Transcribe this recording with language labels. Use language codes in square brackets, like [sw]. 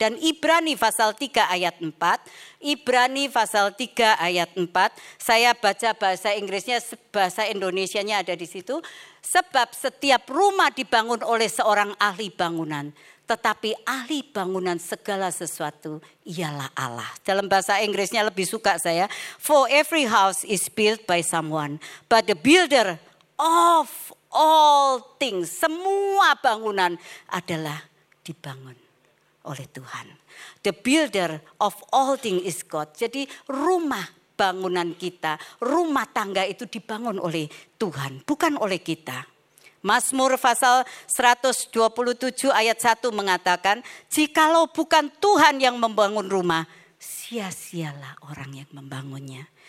[id] Dan Ibrani pasal 3 ayat 4, Ibrani pasal 3 ayat 4, saya baca bahasa Inggrisnya, bahasa Indonesianya ada di situ. Sebab setiap rumah dibangun oleh seorang ahli bangunan. Tetapi ahli bangunan segala sesuatu ialah Allah. Dalam bahasa Inggrisnya lebih suka saya. [en] For every house is built by someone. But the builder of all things. [id] Semua bangunan adalah dibangun oleh Tuhan. [en] The builder of all things is God. [id] Jadi rumah bangunan kita, rumah tangga itu dibangun oleh Tuhan. Bukan oleh kita. Mazmur pasal 127 ayat 1 mengatakan, jikalau bukan Tuhan yang membangun rumah, sia-sialah orang yang membangunnya.